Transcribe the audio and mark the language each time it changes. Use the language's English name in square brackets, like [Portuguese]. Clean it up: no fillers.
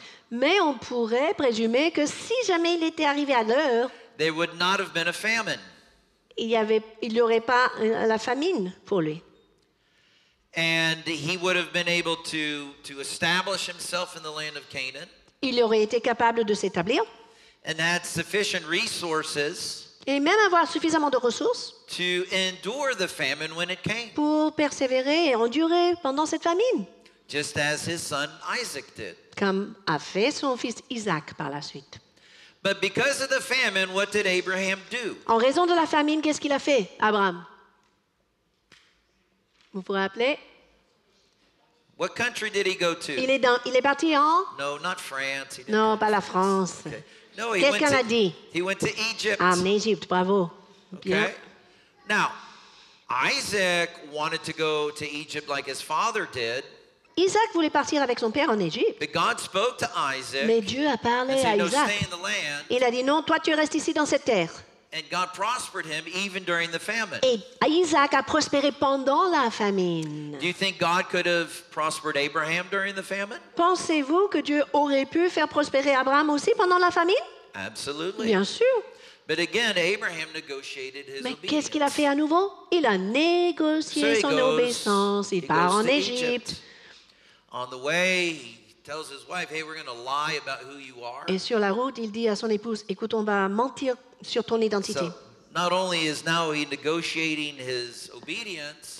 [French] Mais on pourrait présumer que si jamais il était arrivé à l'heure, [English] there would not have been a famine. [French] Il n'y aurait pas la famine pour lui. [English] And he would have been able to establish himself in the land of Canaan. [French] Il aurait été capable de s'établir. [English] And had sufficient resources. [French] Et même avoir suffisamment de ressources. [English] To endure the famine when it came. [French] Pour persévérer et endurer pendant cette famine. [English] Just as his son Isaac did. [French] Comme a fait son fils Isaac par la suite. [English] But because of the famine, what did Abraham do? [French] En raison de la famine, qu'est-ce qu'il a fait, Abraham? Vous vous rappelez? [English] What country did he go to? [French] Il est parti en? [English] No, not France. [French] Non, pas la France. [English] Okay. No, he [French] qu'est-ce qu'on a dit? [English] He went to Egypt. [French] Ah, en Égypte, bravo. Bien. [English] Okay. Now, Isaac wanted to go to Egypt like his father did. [French] Isaac voulait partir avec son père en Égypte. [English] But God spoke to Isaac. [French] Mais Dieu a parlé [English] said, [French] à Isaac. [English] No, stay in the land. [French] Il a dit non, toi tu restes ici dans cette terre. [English] And God prospered him even during the famine. [French] Et Isaac a prospéré pendant la famine. [English] Do you think God could have prospered Abraham during the famine? [French] Pensez-vous que Dieu aurait pu faire prospérer Abraham aussi pendant la famine? [English] Absolutely. [French] Bien sûr. [English] But again, Abraham negotiated his [French] Mais [English] obedience. [French] Qu'est-ce qu'il a fait à nouveau? Il a négocié [English] so [French] son obéissance. Il part en Égypte. [English] On the way, he tells his wife, "Hey, we're going to lie about who you are." [French] Et sur la route, il dit à son épouse, "Écoute, on va mentir sur ton identité." [English] So, not only is now he negotiating his obedience.